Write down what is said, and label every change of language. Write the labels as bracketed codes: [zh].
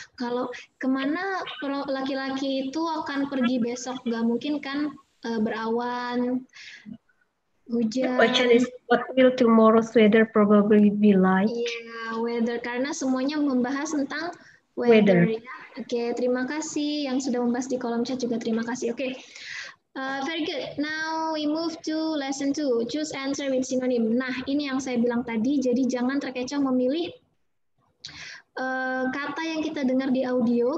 [id] Kalau kemana laki-laki itu akan pergi besok? Nggak mungkin kan berawan, hujan. [en] The question is what will tomorrow's weather probably be like? [id] Yeah, weather, karena semuanya membahas tentang weather. Ya. Oke, okay, terima kasih yang sudah membahas di kolom chat juga terima kasih. [en] Oke. Okay. Very good. Now we move to lesson 2. Choose answer with synonym. [id] Nah, ini yang saya bilang tadi. Jadi jangan terkecoh memilih kata yang kita dengar di audio.